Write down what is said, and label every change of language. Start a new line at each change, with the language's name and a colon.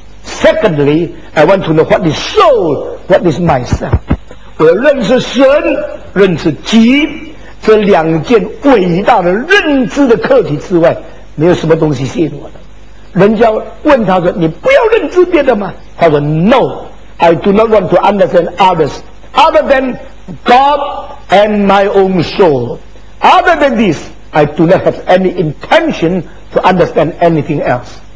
English: Secondly, I want to know what is soul, what is myself.
Chinese: 我要认识神，认识己，这两件伟大的认知的课题之外，没有什么东西吸引我的。人家问他说，你不要认识别的吗？他说
English: No, I do not want to understand others other than God and my own soul. Other than this, I do not have any intention to understand anything else.